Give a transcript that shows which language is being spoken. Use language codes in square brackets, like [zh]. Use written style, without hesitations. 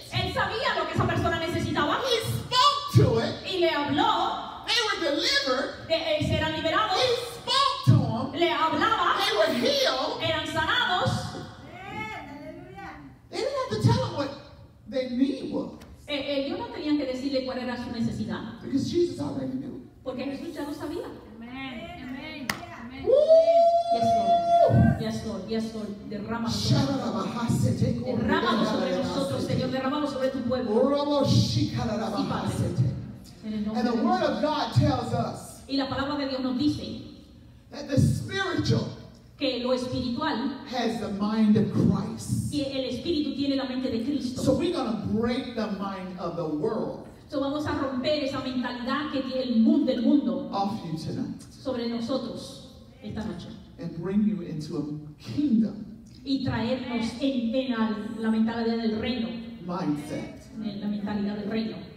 [es] Él sabía lo que esa persona necesitaba. [en] He spoke to it. [es] Y le habló. [en] They were delivered. [es] De él serán liberados. [en] He spoke to him. [es] Le hablaba. [en] They were healed. [es] Eran sanados. [en] They didn't have to tell him what their need was. [es] Ellos no tenían que decirle cuál era su necesidad. [en] Because Jesus already knew. [es] Porque Jesús ya lo sabía. [en] Amen. Amen. Yes, Lord. Yes, Lord. Yes, Lord. [es] Derrama sobre nosotros, Señor. Derrama sobre tu pueblo. Sí, Padre. [en] And the Word of God tells us. [es] Y la palabra de Dios nos dice. [en] That the spiritual. [es] Que lo espiritual [en] has the mind of Christ. [es] Y el espíritu tiene la mente de Cristo. [en] So we're going to break the mind of the world. [es] So vamos a romper esa mentalidad que tiene el mundo, del mundo. [en] Off you tonight. [es] Sobre nosotros esta noche. [en] And bring you into a kingdom. [es] Y traernos en la mentalidad del reino. [en] Mindset. [es] En la mentalidad del reino.